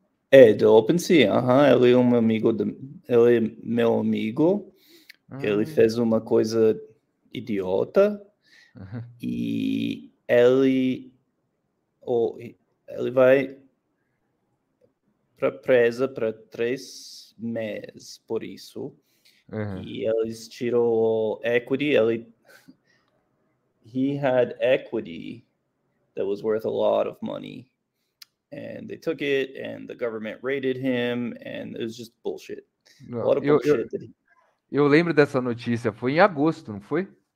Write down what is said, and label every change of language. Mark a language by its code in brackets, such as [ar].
[pt] É, do OpenSea. Ele é um amigo. Ele é meu amigo. Ele fez uma coisa idiota. E ele vai para presa para 3 meses por isso. [en] Uhum. [pt] E eles tirou [en] equity, he had equity that was worth a lot of money, and they took it, and the government raided him, and it was just bullshit. [pt] Não, [en] a lot of bullshit. [pt] Eu lembro dessa notícia, foi em agosto, não foi?